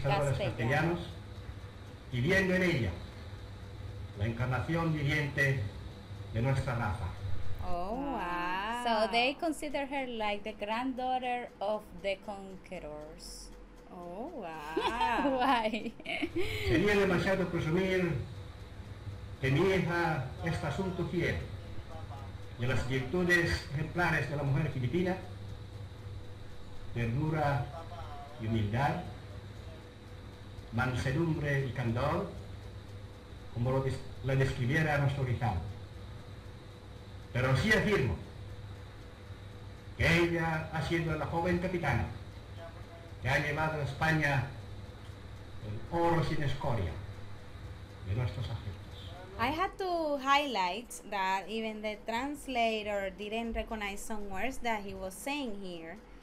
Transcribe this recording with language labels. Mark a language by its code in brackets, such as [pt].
[es] castellanos, y viendo en ella la encarnación viviente de nuestra raza. [en] So they consider her like the granddaughter of the conquerors. Why? [es] Sería demasiado presumir que mi hija es asunto fiel de las virtudes ejemplares de la mujer filipina, ternura y humildad, mansedumbre y candor, como la describiera nuestro rizal. Pero sí afirmo que ella ha sido la joven capitana que ha llevado a España el oro sin escoria de nuestros afectos. [en] I had to highlight that even the translator didn't recognize some words that he was saying here.